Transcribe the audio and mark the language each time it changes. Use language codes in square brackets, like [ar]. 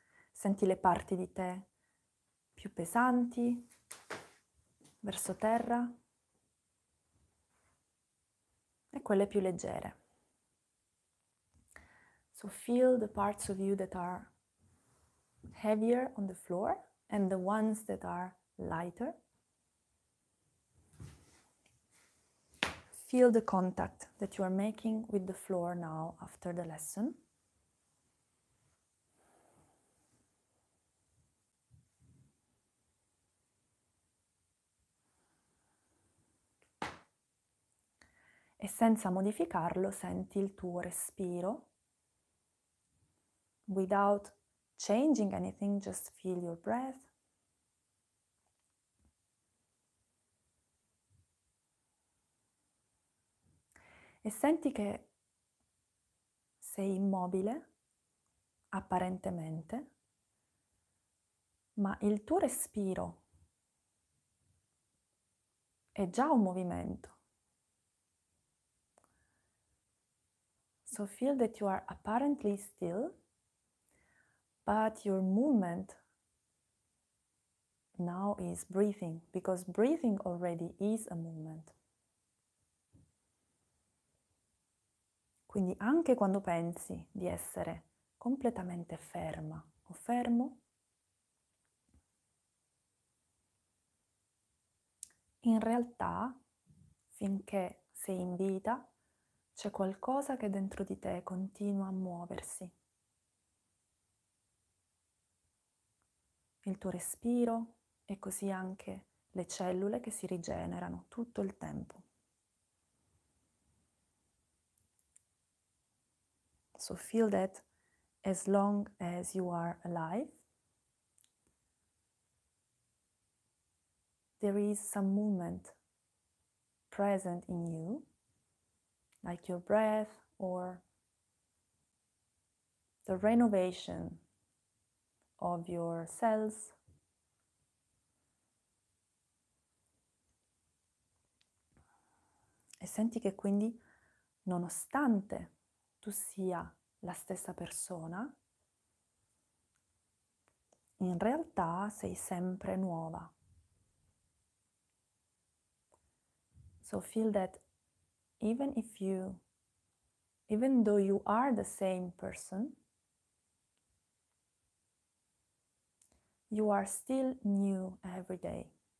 [it] Senti le parti di te più pesanti verso terra e quelle più leggere. [en] So feel the parts of you that are heavier on the floor and the ones that are lighter. Feel the contact that you are making with the floor now after the lesson. [it] E senza modificarlo, senti il tuo respiro. [en] Without changing anything, just feel your breath. [it] E senti che sei immobile, apparentemente, ma il tuo respiro è già un movimento. [en] So feel that you are apparently still, but your movement now is breathing, because breathing already is a movement. [it] Quindi anche quando pensi di essere completamente ferma o fermo, in realtà finché sei in vita c'è qualcosa che dentro di te continua a muoversi. Il tuo respiro e così anche le cellule che si rigenerano tutto il tempo. [en] So feel that as long as you are alive, there is some movement present in you, like your breath or the renovation of your cells. [it] E senti che quindi, nonostante tu sia la stessa persona, in realtà sei sempre nuova. [en] So feel that even though you are the same person, you are still new every day.